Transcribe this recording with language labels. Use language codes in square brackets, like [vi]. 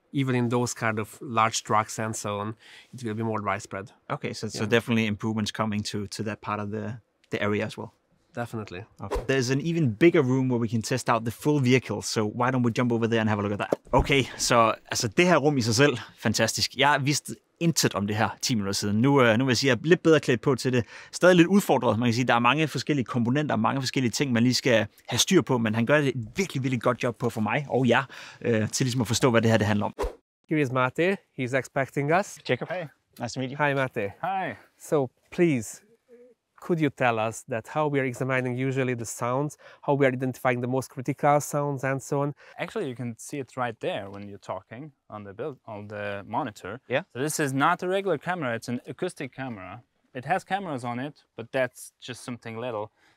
[en] Even in those kind of large trucks and so on, it will be more widespread. Okay, so definitely improvements coming to that part of the area as well. Definitely. Okay. There's an even bigger room where we can test out the full vehicle, so why don't we jump over there and have a look at that? [da] Okay, så altså det her rum i sig selv, fantastisk. Jeg vidste intet om det her 10 minutter siden. Nu vil jeg sige, jeg er lidt bedre klædt på til det. Stadig lidt udfordret. Man kan sige, der er mange forskellige komponenter, mange forskellige ting, man lige skal have styr på, men han gør et virkelig, virkelig godt job på for mig og jer, til ligesom at forstå, hvad det her det handler om. [en] Here is Mate. He's expecting us. Jacob. Hey. Nice to meet you. Hi, Mate. Hi. So, please, could you tell us that how we are examining usually the sounds, how we are identifying the most critical sounds and so on? Actually, you can see it right there when you're talking on the monitor. Yeah. So this is not a regular camera, it's an acoustic camera. It has cameras on it, but that's just something little.